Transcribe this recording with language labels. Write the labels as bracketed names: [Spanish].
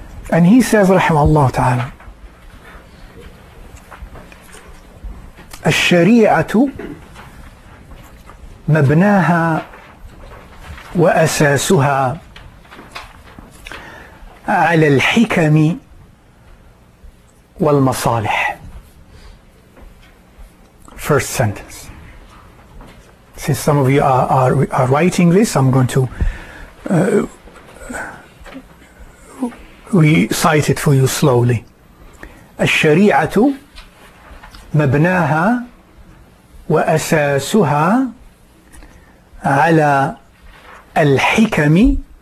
[English] And he says, [Arabic] rahimahullah ta'ala, الشريعة مبناها وأساسها على الحكم والمصالح. [English] First sentence. Since some of you are writing this, I'm going to recite it for you slowly. [Arabic] الشريعة مبناها وأساسها على الحكم